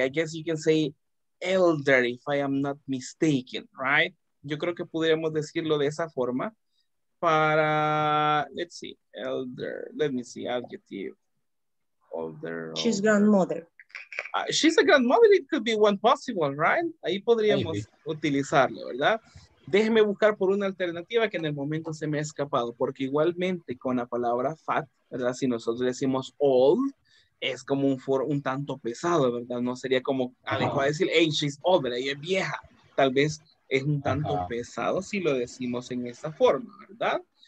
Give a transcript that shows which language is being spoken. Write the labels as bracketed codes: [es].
[en] I guess you can say elder if I am not mistaken, right? [es] Yo creo que podríamos decirlo de esa forma para, [en] let's see, [es] elder. [en] Let me see, adjective. Older. She's grandmother. She's a grandmother, it could be one possible, right? [es] Ahí podríamos Maybe. Utilizarlo, ¿verdad? Déjeme buscar por una alternativa que en el momento se me ha escapado, porque igualmente con la palabra fat, ¿verdad? Si nosotros decimos old, es como un tanto pesado, ¿verdad? No sería como adecuado decir, [en] hey, she's old, [es] ¿verdad? Ella es vieja. Tal vez es un tanto pesado si lo decimos en esa forma, ¿verdad?